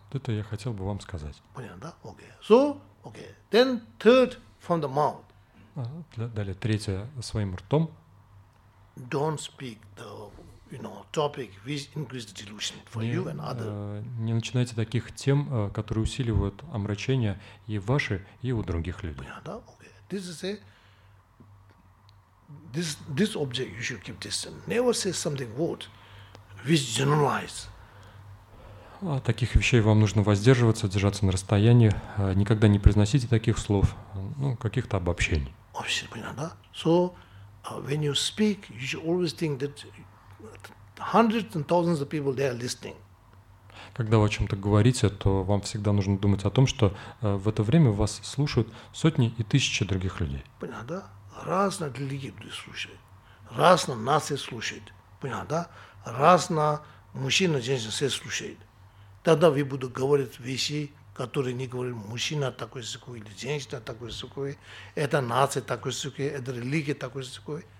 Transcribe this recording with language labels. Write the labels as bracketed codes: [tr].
[ru] Это я хотел бы вам сказать. Понятно, да? [en] Okay. So, okay. Then third from the mouth. [ru] Далее, третье своим ртом. [en] Don't speak the, you know, topic which increase the delusion for you and other. [ru] Не начинайте таких тем, которые усиливают омрачение и ваши, и у других людей. Понятно, да? Okay. [en] This is a This object you should keep distant. Never say something word, which generalize. [ru] А таких вещей вам нужно воздерживаться, держаться на расстоянии. Никогда не произносите таких слов, ну каких-то обобщений. Вообще понятно, да? [en] So when you speak, you should always think that hundreds and thousands of people they are listening. [ru] Когда вы о чем-то говорите, то вам всегда нужно думать о том, что в это время вас слушают сотни и тысячи других людей. Понятно, да? Разные религии слушают, разные нации слушают, понятно, да? Разные мужчины, женщины все слушают. Тогда вы будете говорить вещи, которые не говорят мужчина такой-сякой, или женщина такой-сякой, это нация такой-сякой, это религия такой-сякой.